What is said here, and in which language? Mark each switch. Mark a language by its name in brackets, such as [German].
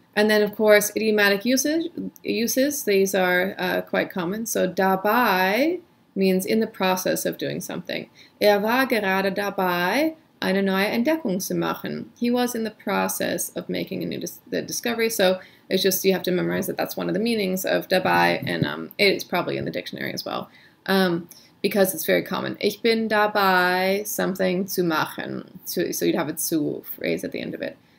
[English] And then, of course, idiomatic uses, these are quite common. So, dabei means in the process of doing something. [German] Er war gerade dabei, eine neue Entdeckung zu machen. [English] He was in the process of making a new discovery. So, it's just, you have to memorize that that's one of the meanings of dabei, and it's probably in the dictionary as well, because it's very common. [German] Ich bin dabei, [English] something [German] zu machen. [English] So, you'd have a zu phrase at the end of it.